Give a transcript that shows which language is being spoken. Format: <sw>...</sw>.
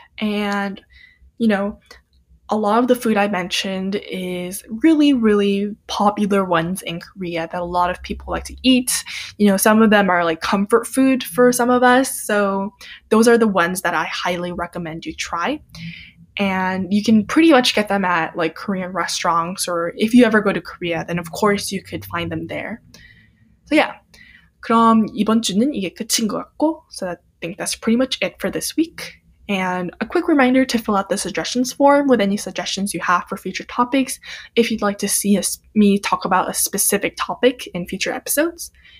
<en>And, you know, a lot of the food I mentioned is really, really popular ones in Korea that a lot of people like to eat. You know, some of them are like comfort food for some of us. So those are the ones that I highly recommend you try. And you can pretty much get them at like Korean restaurants, or if you ever go to Korea, then of course you could find them there. So yeah,</en> <ko>그럼 이번 주는 이게 끝인 것 같고,</ko> <en>so I think that's pretty much it for this week. And a quick reminder to fill out the suggestions form with any suggestions you have for future topics if you'd like to see me talk about a specific topic in future episodes.</en>